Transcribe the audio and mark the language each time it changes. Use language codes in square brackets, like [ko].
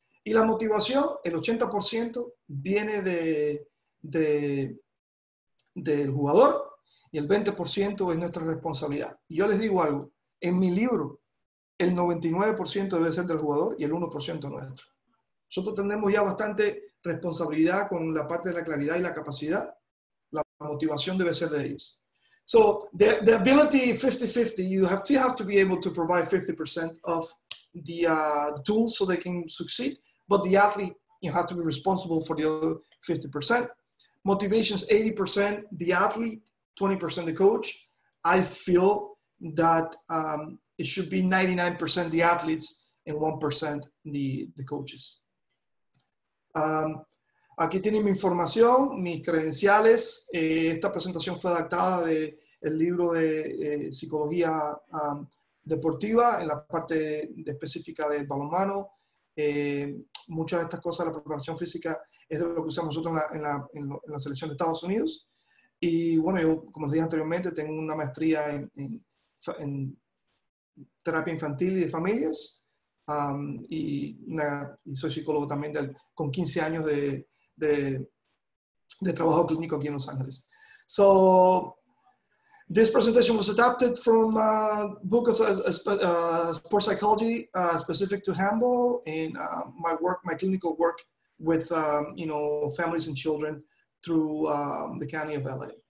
[es] Y la motivación, el 80% viene del jugador y el 20% es nuestra responsabilidad. Y yo les digo algo, en mi libro, el 99% debe ser del jugador y el 1% nuestro. Nosotros tenemos ya bastante responsabilidad con la parte de la claridad y la capacidad. La motivación debe ser de ellos. [en] So, the ability 50-50, you have to be able to provide 50% of the tools so they can succeed. But the athlete, you have to be responsible for the other 50%. Motivation is 80%, the athlete, 20% the coach. I feel that it should be 99% the athletes and 1% the coaches. [es] Aquí tienen mi información, mis credenciales. Esta presentación fue adaptada del libro de psicología deportiva en la parte específica del balonmano. muchas de estas cosas, la preparación física, es de lo que usamos nosotros en la selección de Estados Unidos. Y bueno, yo, como les dije anteriormente, tengo una maestría en terapia infantil y de familias, y soy psicólogo también con 15 años de trabajo clínico aquí en Los Ángeles. [en] So, this presentation was adapted from a book of sports psychology specific to handball and my clinical work with families and children through the county of LA.